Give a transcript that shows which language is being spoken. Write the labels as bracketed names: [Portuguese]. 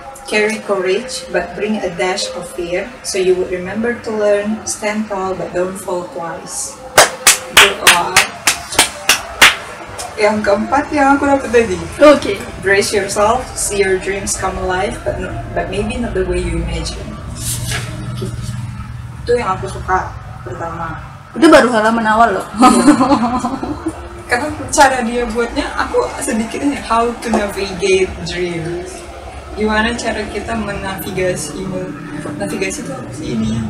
[English] Carry courage, but bring a dash of fear, so you would remember to learn, stand tall, but don't fall twice. [Indonesian] Yang keempat yang aku dapat tadi. [English] Okay. Brace yourself, see your dreams come alive, but maybe not the way you imagine. [Indonesian] Itu yang aku suka pertama. Itu baru halaman awal loh. Karena cara dia buatnya, aku sedikitnya [English] how to navigate dreams. [Indonesian] gimana cara kita menavigasi itu? Navigasi itu apa sih ini?